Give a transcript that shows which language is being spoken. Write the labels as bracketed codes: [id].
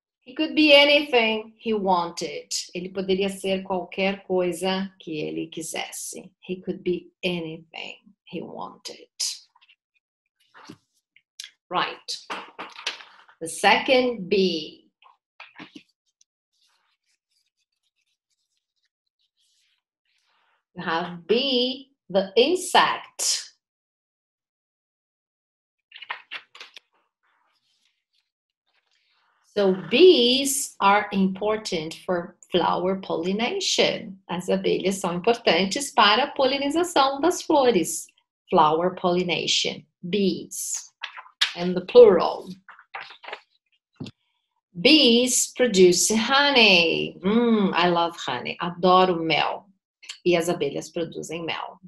[en] He could be anything he wanted. [pt] Ele poderia ser qualquer coisa que ele quisesse. [en] He could be anything he wanted. Right. The second B. You have B, the insect. So bees are important for flower pollination. As abelhas são importantes para a polinização das flores. Flower pollination. Bees. And the plural. Bees produce honey. I love honey. [pt] Adoro mel. E as abelhas produzem mel.